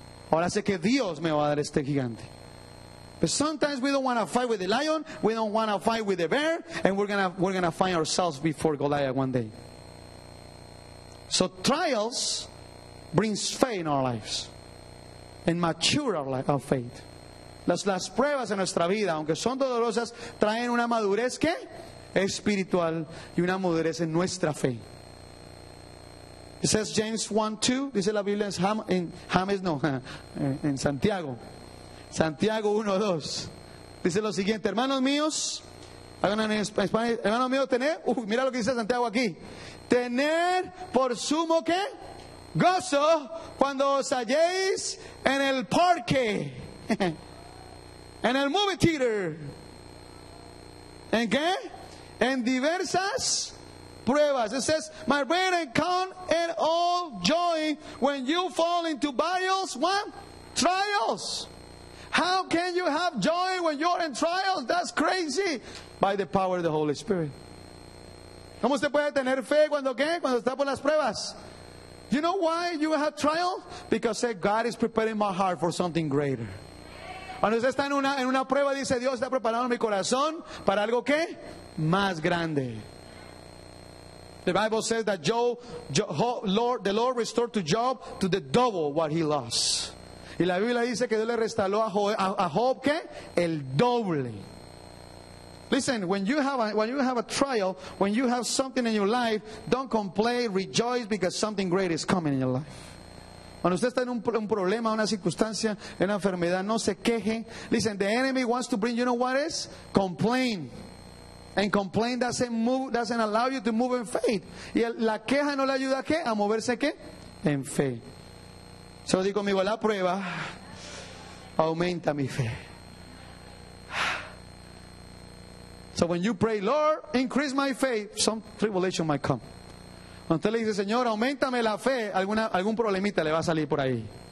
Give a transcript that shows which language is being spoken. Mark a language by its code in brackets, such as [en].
[es] Ahora sé que Dios me va a dar este gigante. [en] But sometimes we don't want to fight with the lion, we don't want to fight with the bear, and we're gonna find ourselves before Goliath one day. So trials brings faith in our lives and mature our faith. [es] las pruebas en nuestra vida, aunque son dolorosas, traen una madurez ¿qué? Espiritual, y una madurez en nuestra fe. [en] It says James 1:2, [es] dice la Biblia en Santiago. Santiago 1:2. Dice lo siguiente: hermanos míos, hagan en español, hermanos míos, mira lo que dice Santiago aquí. Tener por sumo ¿qué? Gozo cuando os halléis en el parque, en el movie theater. ¿En qué? En diversas pruebas. [en] It says, my brethren, count it all joy when you fall into various what? Trials. How can you have joy when you're in trials? That's crazy. By the power of the Holy Spirit. [es] ¿Cómo usted puede tener fe cuando qué? Cuando está por las pruebas. [en] You know why you have trials? Because say, God is preparing my heart for something greater. [es] Cuando usted está en una prueba, dice, Dios está preparando mi corazón para algo qué? Más grande. [en] The Bible says that the Lord restored to Job to the double what he lost. [es] Y la Biblia dice que Dios le restauró a Job ¿qué? El doble. [en] Listen, when you have a trial, when you have something in your life, don't complain, rejoice because something great is coming in your life. [es] Cuando usted está en un problema, una circunstancia, una enfermedad, no se queje. [en] Listen, the enemy wants to bring, you know what is? Complain. And complain doesn't allow you to move in faith. [es] Y la queja no le ayuda ¿qué? A moverse ¿qué? En fe. Se lo digo conmigo, la prueba aumenta mi fe. [en] So when you pray, Lord, increase my faith, some tribulation might come. [es] Cuando usted le dice, Señor, aumentame la fe, algún problemita le va a salir por ahí.